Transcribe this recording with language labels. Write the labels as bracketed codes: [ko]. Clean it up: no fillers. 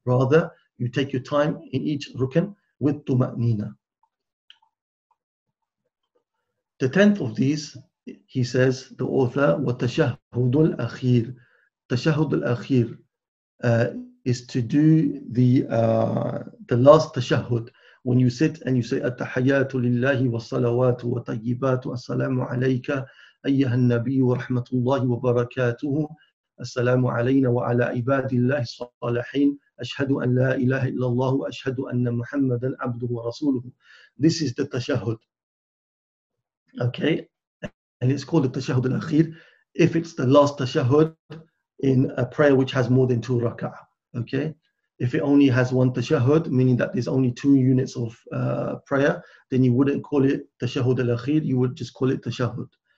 [en] Rather, you take your time in each rukun with tuma'nina. The tenth of these, he says, the author, [ar] وَتَشَهُدُ الْأَخِيرُ. تَشَهُدُ الْأَخِيرُ [en] is to do the last tashahud. When you sit and you say, [ar] أَتَّحَيَّاتُ لِلَّهِ وَالصَّلَوَاتُ وَطَيِّبَاتُ السَّلَامُ عَلَيْكَ أَيَّهَا النَّبِيُّ وَرَحْمَةُ اللَّهِ وَبَرَكَاتُهُ السَّلَامُ عَلَيْنَا وَعَلَى عِبَادِ اللَّهِ الصَّالِحِينَ أَشْهَدُ أَنْ لَا إِلَهَ إِلَّا اللَّهُ وَأَشْهَدُ أَنَّ مُحَمَّدًا عَبْدُهُ وَرَسُولُهُ. [en] This is the tashahud. Okay, and it's called the tashahud al-akhir if it's the last tashahud in a prayer which has more than two raka'ah. Okay, if it only has one tashahud, meaning that there's only two units of prayer, then you wouldn't call it tashahud al-akhir, you would just call it tashahud.